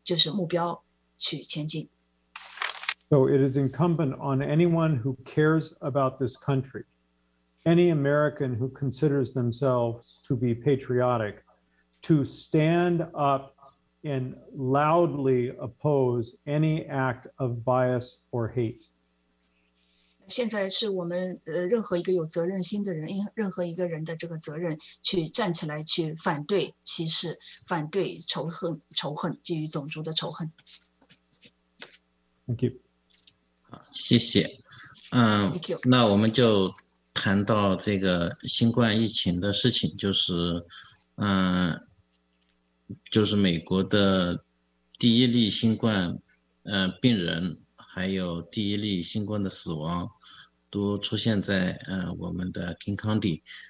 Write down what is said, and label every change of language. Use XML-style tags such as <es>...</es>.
<zh>他说，只有当政府、国家的领导人能够，就是跟偏见、跟基于偏见，这个有对抗，就是不要去响应人们有这样子的一种偏见，那么我们的国家才能向着他的就是目标去前进。</zh> <en>So it is incumbent on anyone who cares about this country, any American who considers themselves to be patriotic, to stand up and loudly oppose any act of bias or hate.</en> <zh>现在是我们任何一个有责任心的人，任何一个人的这个责任，去站起来，去反对歧视，反对仇恨，基于种族的仇恨。</zh> <en>Thank you.</en> <zh>好，谢谢。那我们就谈到这个新冠疫情的事情，就是美国的 第一例新冠 病人， 还有第一例新冠的死亡， 都出现在我们的King County。</zh>